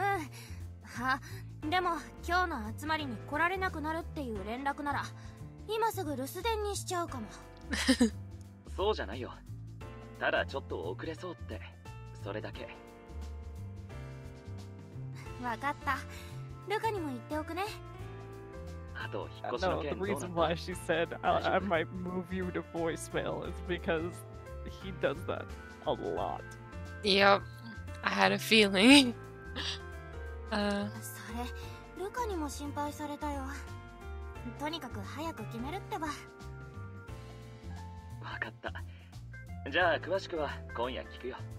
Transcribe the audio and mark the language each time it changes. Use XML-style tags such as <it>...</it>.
<ja>は、でも今日の集まりに来られなくなるっていう連絡なら、今すぐ留守電にしちゃうかも。そうじゃないよ。ただちょっと遅れそうって、それだけ。わかった。ルカにも言っておくね。</ja> <en>No, the reason why she said I might move you to voicemail is because he does that a lot. Yep, I had a feeling.</en> <ja>それ、ルカにも心配されたよ。とにかく早く決めるってば。わかった。じゃあ詳しくは今夜聞くよ。</ja>